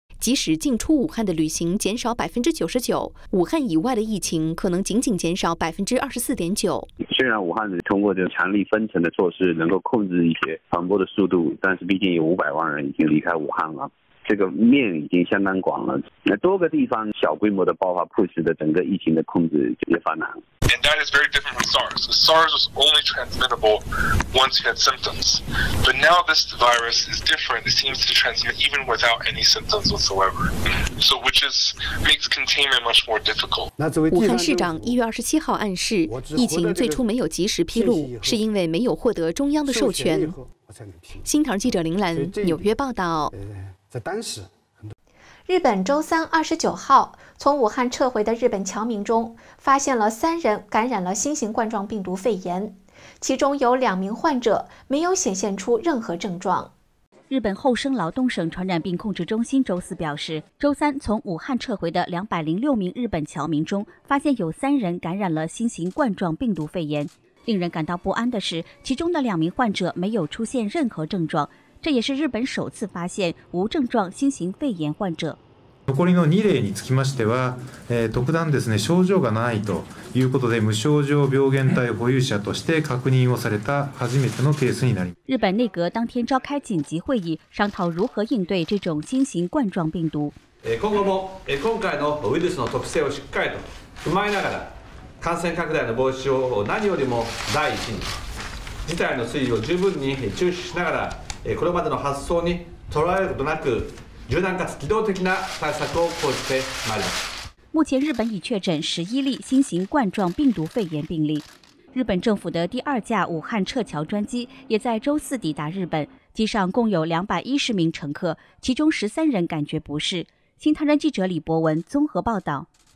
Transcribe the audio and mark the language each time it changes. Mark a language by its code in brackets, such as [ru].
[zh] 即使进出武汉的旅行减少99%，武汉以外的疫情可能仅仅减少24.9%。虽然武汉通过这种强力分层的措施能够控制一些传播的速度，但是毕竟有500万人已经离开武汉了。这个面已经相当广了，那多个地方小规模的爆发迫使的整个疫情的控制也发难。 [en] And that is very different from SARS. SARS was only transmittable once you had symptoms. But now this virus is different. It seems to transmit even without any symptoms whatsoever. So which is makes containment much more difficult. [zh] 武汉市长1月27号暗示，疫情最初没有及时披露，是因为没有获得中央的授权。新唐记者林兰，纽约报道。在当时，日本周三29号从武汉撤回的日本侨民中，发现了3人感染了新型冠状病毒肺炎，其中有2名患者没有显现出任何症状。日本厚生劳动省传染病控制中心周四表示，周三从武汉撤回的206名日本侨民中，发现有3人感染了新型冠状病毒肺炎。令人感到不安的是，其中的2名患者没有出现任何症状。这也是日本首次发现无症状新型肺炎患者。 [ja] 残りの2例につきましては、特段ですね症状がないということで無症状病原体保有者として確認をされた初めてのケースになります。 [zh] 日本内阁当天召开紧急会议，商讨如何应对这种新型冠状病毒。 [ja] 今後も今回のウイルスの特性をしっかりと踏まえながら、感染拡大の防止を何よりも第一に、事態の推移を十分に注視しながら。これまでの発想にとらわれることなく、柔軟かつ機動的な対策を講じてまいります。 [zh] 目前日本已确诊11例新型冠状病毒肺炎病例。日本政府的第二架武汉撤侨专机也在周四抵达日本，机上共有210名乘客，其中13人感觉不适。新唐人记者李博文综合报道。